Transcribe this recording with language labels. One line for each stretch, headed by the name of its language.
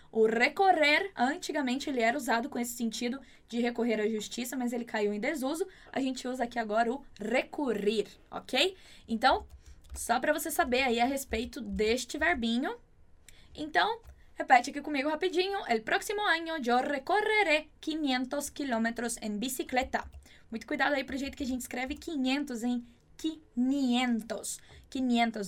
Portuguese: O recorrer, antigamente, ele era usado com esse sentido de recorrer à justiça, mas ele caiu em desuso. A gente usa aqui agora o recorrer, ok? Então, só para você saber aí a respeito deste verbinho. Então, repete aqui comigo rapidinho.
Spanish: El próximo año yo recorreré 500 kilómetros en bicicleta.
Portuguese: Muito cuidado aí para o jeito que a gente escreve 500, hein? 500. 500.